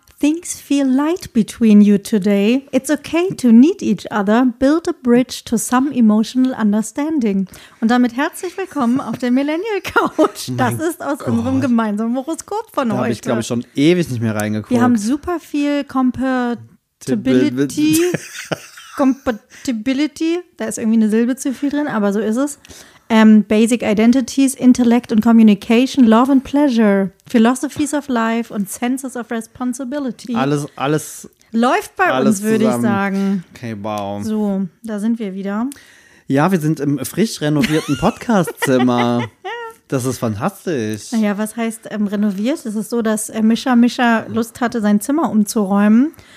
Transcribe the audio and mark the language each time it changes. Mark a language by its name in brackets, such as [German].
[English] Things feel light between you today. It's okay to need each other. Build a bridge to some emotional understanding. [German] Und damit herzlich willkommen auf der Millennial Couch. Das ist aus unserem gemeinsamen Horoskop von heute. Da habe ich, glaube ich, schon ewig nicht mehr reingeguckt. Wir haben super viel Compatibility. Compatibility, da ist irgendwie eine Silbe zu viel drin, aber so ist es. [English] Basic Identities, Intellect and Communication, Love and Pleasure, Philosophies of Life und Senses of Responsibility. [German] Alles läuft bei alles uns, würde ich sagen. Okay, wow. So, da sind wir wieder. Ja, wir sind im frisch renovierten Podcast-Zimmer. Das ist fantastisch. Naja, was heißt renoviert? Es ist so, dass Mischa Lust hatte, sein Zimmer umzuräumen.